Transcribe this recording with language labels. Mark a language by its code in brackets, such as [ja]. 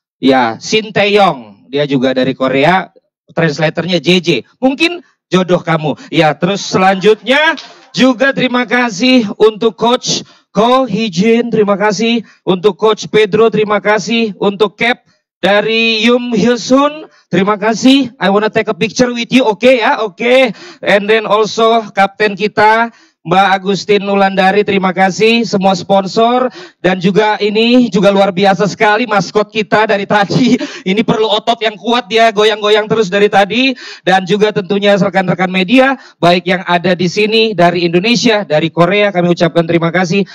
[id] Ya, Shin Tae-yong, dia juga dari Korea, translatornya JJ. Mungkin jodoh kamu. Ya, terus selanjutnya juga terima kasih untuk Coach Ko Hijin, terima kasih. Untuk Coach Pedro, terima kasih. Untuk Cap dari Yum Hyosun, terima kasih. [en] I wanna take a picture with you, oke okay, ya, oke. Okay. And then also [id] Kapten kita, Mbak Agustin Nulandari, terima kasih. Semua sponsor, dan juga ini juga luar biasa sekali maskot kita dari tadi. Ini perlu otot yang kuat, dia goyang-goyang terus dari tadi. Dan juga tentunya rekan-rekan media, baik yang ada di sini, dari Indonesia, dari Korea, kami ucapkan terima kasih.